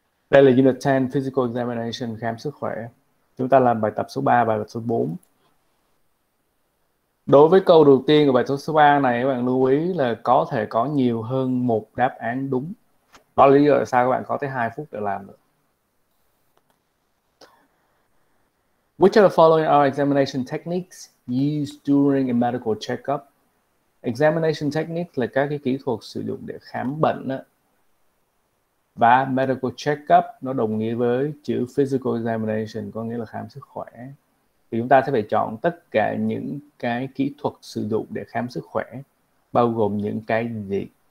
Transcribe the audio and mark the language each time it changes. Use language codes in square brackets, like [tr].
[vi] Đây là Unit 10 Physical Examination, khám sức khỏe. Chúng ta làm bài tập số 3, bài tập số 4. Đối với câu đầu tiên của bài tập số 3 này, các bạn lưu ý là có thể có nhiều hơn một đáp án đúng. Đó là lý do sao các bạn có tới 2 phút để làm được. [en] Which of the following are examination techniques used during a medical checkup? [vi] Examination techniques là các cái kỹ thuật sử dụng để khám bệnh đó. Và medical checkup nó đồng nghĩa với chữ physical examination, có nghĩa là khám sức khỏe. Thì chúng ta sẽ phải chọn tất cả những cái kỹ thuật sử dụng để khám sức khỏe, bao gồm những cái gì?